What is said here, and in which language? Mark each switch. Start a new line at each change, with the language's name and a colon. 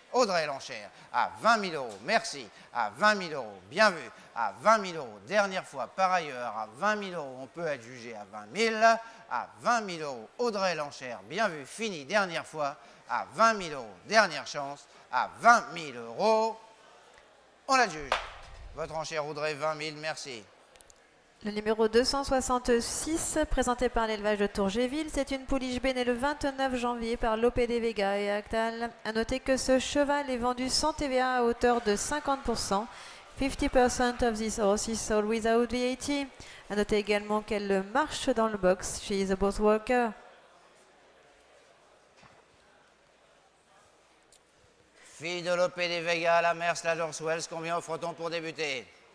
French: Audrey l'enchère, à 20 000 euros, merci, à 20 000 euros, bien vu, à 20 000 euros, dernière fois, par ailleurs, à 20 000 euros, on peut adjuger à 20 000, à 20 000 euros, Audrey l'enchère, bien vu, fini, dernière fois, à 20 000 euros, dernière chance, à 20 000 euros, on adjuge. Votre enchère Audrey, 20 000, merci. Le numéro 266, présenté par l'élevage de Tourgéville, c'est une pouliche bé née le 29 janvier par l'OP des Vega et Actal. A noter que ce cheval est vendu sans TVA à hauteur de 50%.
English: 50% of this horse is sold without VAT.
French: A noter également qu'elle marche dans le box chez The Boss Walker. Fille de l'OP des Vega, la mère Sladors Wells, combien offre-t-on pour débuter?